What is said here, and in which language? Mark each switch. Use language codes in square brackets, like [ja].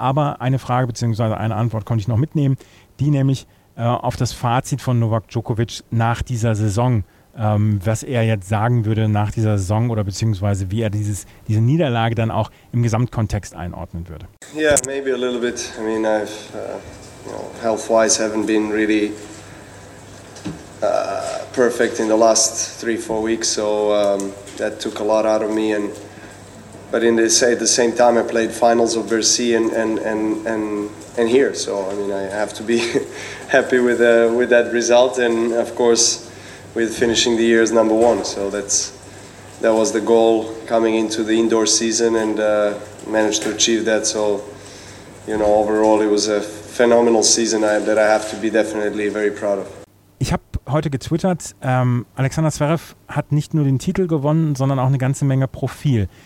[de] Aber eine Frage bzw. eine Antwort konnte ich noch mitnehmen, die nämlich auf das Fazit von Novak Djokovic nach dieser Saison, was er jetzt sagen würde nach dieser Saison oder beziehungsweise wie er diese Niederlage dann auch im Gesamtkontext einordnen würde. [en] Yeah, maybe a little bit. I mean, I've, you know, health-wise haven't been really perfect in the last 3-4 weeks, so that took a lot out of me. And but in the, say at the same time, I played finals of Bercy and here, so I mean, I have to be happy with that result, and of course, with finishing the year as number one. So that was the goal coming into the indoor season, and managed to achieve that. So, you know, overall, it was a phenomenal season that I have to be definitely very proud of. [de] Ich habe heute getwittert. Alexander Zverev hat nicht nur den Titel gewonnen, sondern auch eine ganze Menge Profil.